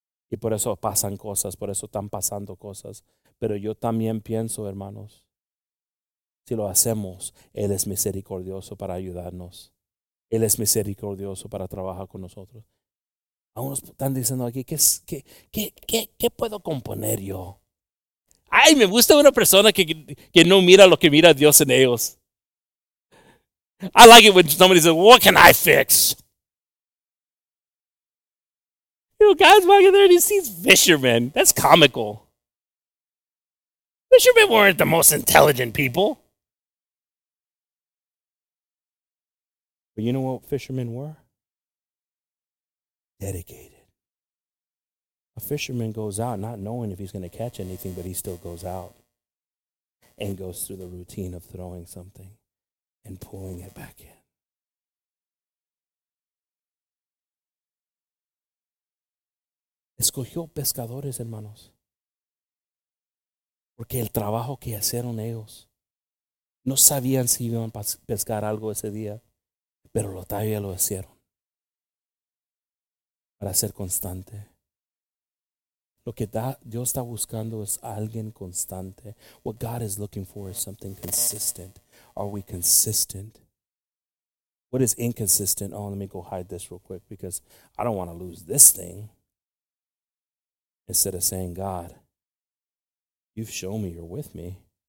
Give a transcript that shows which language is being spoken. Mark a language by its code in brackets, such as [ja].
[es] Y por eso pasan cosas, por eso están pasando cosas. Pero yo también pienso, hermanos, si lo hacemos, Él es misericordioso para ayudarnos. Él es misericordioso para trabajar con nosotros. Aún están diciendo aquí, ¿qué puedo componer yo? Ay, me gusta una persona que no mira lo que mira Dios en ellos. [en] I like it when somebody says, what can I fix? You know, God's walking there and He sees fishermen. That's comical. Fishermen weren't the most intelligent people. But you know what fishermen were? Dedicated. A fisherman goes out not knowing if he's going to catch anything, but he still goes out and goes through the routine of throwing something and pulling it back in. [es] Escogió pescadores, hermanos, porque el trabajo que hicieron ellos, no sabían si iban a pescar algo ese día, pero todavía lo hicieron. Para ser constante. Lo que Dios está buscando es alguien constante. [en] What God is looking for is something consistent. Are we consistent? What is inconsistent? Oh, let me go hide this real quick because I don't want to lose this thing. Instead of saying, God, you've shown me you're with me.